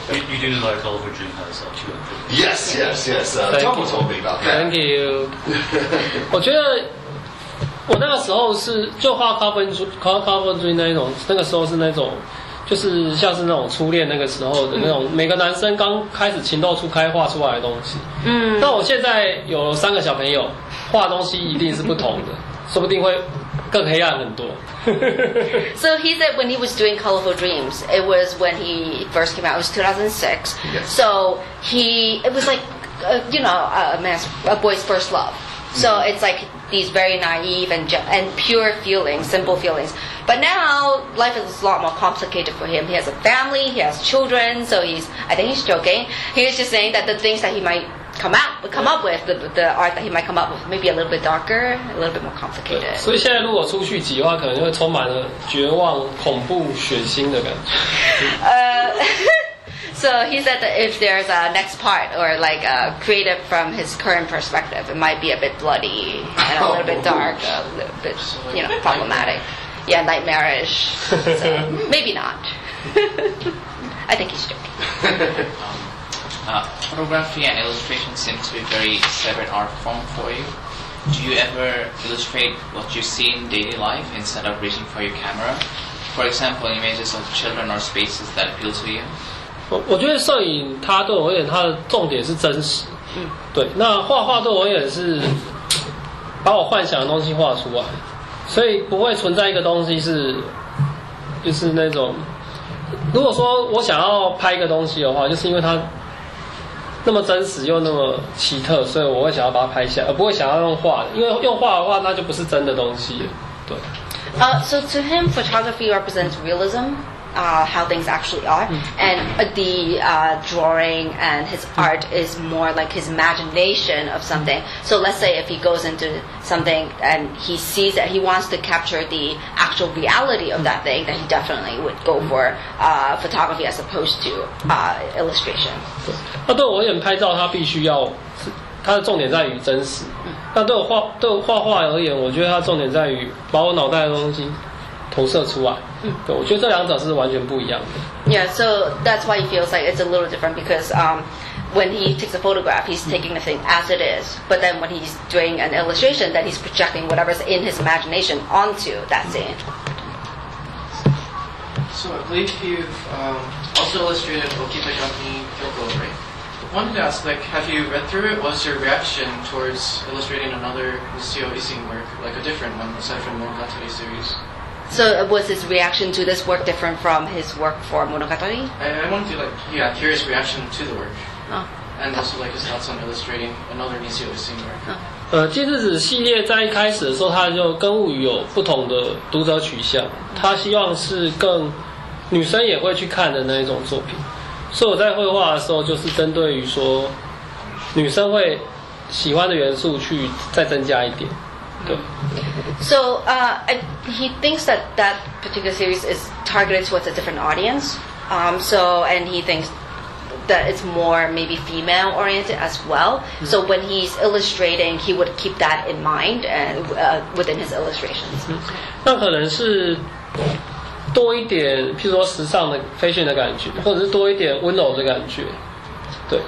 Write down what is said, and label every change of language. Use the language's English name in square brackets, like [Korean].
[English] you do like Colorful Dreams as well, too. Yes, yes, yes. Tomo told me about that. Thank you. [Chinese] 我觉得我那个时候是就画 Carbon Dream 那一种，那个时候是那种就是像是那种初恋那个时候的那种，每个男生刚开始情窦初开画出来的东西。嗯，那我现在有三个小朋友，画东西一定是不同的，说不定会更黑暗很多。 [English] So he said when he was doing Colorful Dreams, it was when he first came out, it was 2006. So it was like, you know, a boy's first love. So it's like these very naive and pure feelings, simple feelings. But now life is a lot more complicated for him. He has a family, he has children, so I think he's joking. He was just saying that the things that he might come up with, the art that he might come up with, maybe a little bit darker, a little bit more complicated. [Chinese] 所以现在如果出续集的话，可能就会充满了绝望、恐怖、血腥的感觉。 [English] So he said that if there's a next part or like a creative from his current perspective, it might be a bit bloody and a little bit dark, a little bit, you know, problematic. Yeah, nightmarish. So maybe not. I think he's joking. Photography and illustration seem to be very separate art form for you. Do you ever illustrate what you see in daily life instead of reaching for your camera? For example, images of children or spaces that appeal to you? [Chinese] 我觉得摄影它对我而言它的重点是真实，对，那画画对我而言是把我幻想的东西画出来，所以不会存在一个东西是就是那种，如果说我想要拍一个东西的话，就是因为它那么真实又那么奇特，所以我会想要把它拍下，而不会想要用画，因为用画的话那就不是真的东西了。对。 [English] So to him photography represents realismhow things actually are, and the drawing and his art is more like his imagination of something. So let's say if he goes into something and he sees that he wants to capture the actual reality of that thing, then he definitely would go for photography as opposed to illustration. [Chinese] 那对我而言，拍照它必须要，它的重点在于真实。那对我画画而言，我觉得它重点在于把我脑袋的东西投射出来。对，我觉得这两者是完全不一样的。 [English] Yeah, so that's why he feels like it's a little different because when he takes a photograph, he's taking the thing as it is. But then when he's doing an illustration, then he's projecting whatever's in his imagination onto that scene. So I believe you've also illustrated Okita Gumi Kyoko, right? Wanted to ask, like, have you read through it? What's your reaction towards illustrating another Mitsuyo Ising work, like a different one aside from Monogatari series? So was his reaction to this work different from his work for Monogatari? I wanted to curious reaction to the work. And also like his thoughts on illustrating another Mitsuyo Ising work. [Chinese] 金日子系列在一开始的时候他就跟物语有不同的读者取向，他希望是更女生也会去看的那一种作品，所以我在绘画的时候就是针对于说女生会喜欢的元素去再增加一点。 [English] So he thinks that particular series is targeted towards a different audience. And he thinks that it's more maybe female oriented as well. Mm-hmm. So when he's illustrating, he would keep that in mind and within his illustrations. Mm-hmm. [Chinese] 那可能是多一点，譬如说时尚的 fashion 的感觉，或者是多一点温柔的感觉，对。